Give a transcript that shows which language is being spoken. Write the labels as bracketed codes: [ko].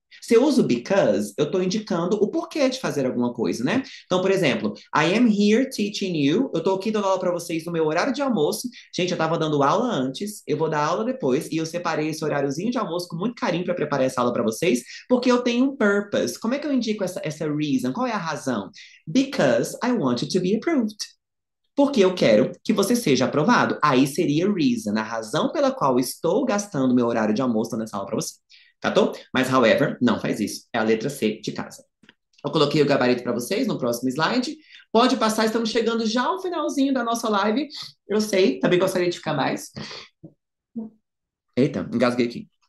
[pt] Se eu uso because, eu estou indicando o porquê de fazer alguma coisa, né? Então, por exemplo, [en] I am here teaching you. [pt] Eu estou aqui dando aula para vocês no meu horário de almoço. Gente, eu estava dando aula antes, eu vou dar aula depois. E eu separei esse horáriozinho de almoço com muito carinho para preparar essa aula para vocês, porque eu tenho um purpose. Como é que eu indico essa reason? Qual é a razão? [en] Because I want you to be approved. [pt] Porque eu quero que você seja aprovado. Aí seria reason, a razão pela qual estou gastando meu horário de almoço nessa aula para você. Catou? Mas, however, não faz isso. É a letra C de casa. Eu coloquei o gabarito para vocês no próximo slide. Pode passar, estamos chegando já ao finalzinho da nossa live. Eu sei, também gostaria de ficar mais. Eita, engasguei aqui.